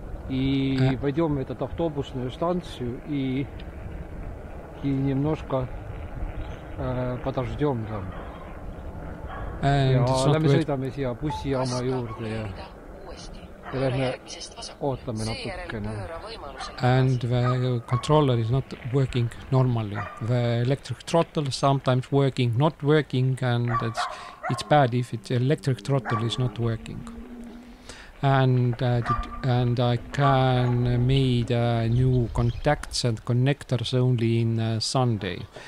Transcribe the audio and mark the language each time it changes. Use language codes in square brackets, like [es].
[ru] И пойдем в этот автобусную станцию и немножко подождем там. [et] Ja lähme sõidame siia bussijaama juurde ja lähme ootame natukene. [en] And the controller is not working normally. The electric throttle sometimes working, not working, and it's bad if it's electric throttle is not working. And I can made new contacts and connectors only in Sunday.